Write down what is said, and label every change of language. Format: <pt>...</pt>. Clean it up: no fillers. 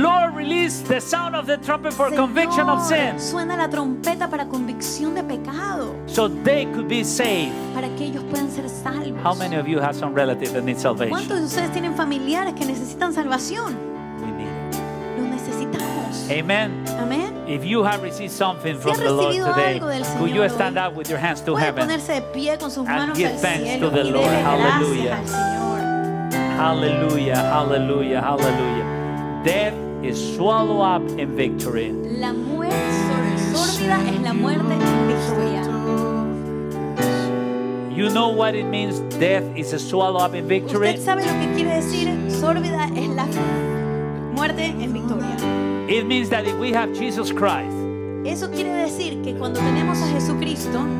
<en>Lord, release the sound of the trumpet for</en> <es>Señor,</es> <en>conviction of sin.</en> <es>Suena la trompeta para convicción de pecado.</es> <en>So they could be saved.</en> <es>Para que ellos puedan ser salvos.</es> <en>How many of you have some relatives that need salvation?</en> <es>¿Cuántos de ustedes tienen familiares que necesitan salvación?</es> <en>We need it.</en> <es>Lo necesitamos. Amen. Amen.</es> <en>If you have received something from the Lord today, could you stand up with your hands to heaven and give thanks to the Lord? Hallelujah. Hallelujah, hallelujah, hallelujah. Death is swallowed up in victory.</en> <es>La muerte sórdida es la muerte en victoria.</es> <en>You know what it means? Death is a swallow up in victory.</en> <es>¿Usted sabe lo que quiere decir? Sórdida es la muerte en victoria.</es> <en>It means that if we have Jesus Christ,</en> <es>eso quiere decir que cuando tenemos a Jesucristo,</es>